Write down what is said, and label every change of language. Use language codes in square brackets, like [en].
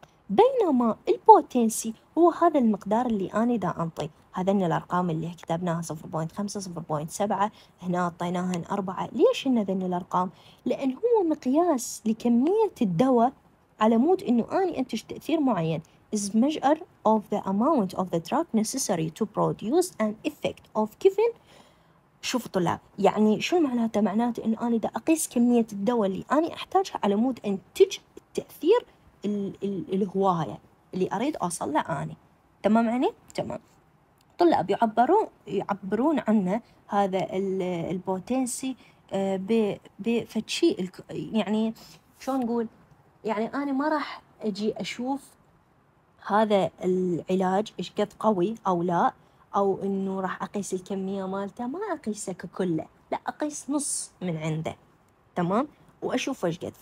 [ar] بينما البوتنسي هو هذا المقدار اللي اني دا انطي، هذن الارقام اللي كتبناها 0.5 0.7 هنا اعطيناها 4. ليش ان هذن الارقام؟ لان هو مقياس لكميه الدواء على مود انه اني انتج تاثير معين. [en] Is measure of the amount of the drug necessary to produce an effect of given. [ar] شوف طلاب، يعني شو معناته؟ معناته إن أنا دا أقيس كمية الدواء اللي أنا أحتاجها على مود أنتج التأثير الهواية اللي أريد أوصل له أنا، تمام يعني؟ تمام. طلاب يعبرون عن هذا البوتنسي بفتشي، يعني شو نقول؟ يعني أنا ما راح أجي أشوف هذا العلاج إيش قد قوي أو لا، أو إنه راح أقيس الكمية مالته، ما أقيسه ككله، لا أقيس نص من عنده، تمام؟ وأشوف إيش قد.